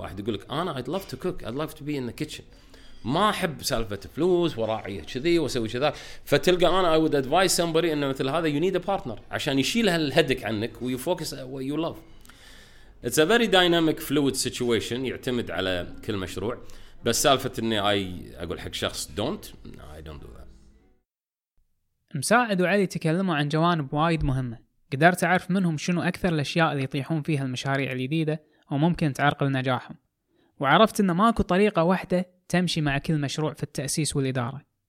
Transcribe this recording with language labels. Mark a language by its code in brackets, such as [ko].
[ar] واحد يقولك أنا [en] I'd love to cook, I'd love to be in the kitchen. [ar] ما أحب سالفة فلوس وراعية كذي وسوي كذا. فتلقى أنا [en] I would advise somebody [ar] إنه مثل هذا [en] you need a partner [ar] عشان يشيل هالهدك عنك و [en] you focus what you love. It's a very dynamic fluid situation [ar] يعتمد على كل مشروع. بس سالفة إني أقول حق شخص [en] don't, no, I don't do that. [ar] مساعد وعلي تكلموا عن جوانب وايد مهمة. قدرت أعرف منهم شنو أكثر الأشياء اللي يطيحون فيها المشاريع الجديدة وممكن تعرقل نجاحهم. وعرفت إن ماكو طريقة واحدة تمشي مع كل مشروع في التأسيس والإدارة.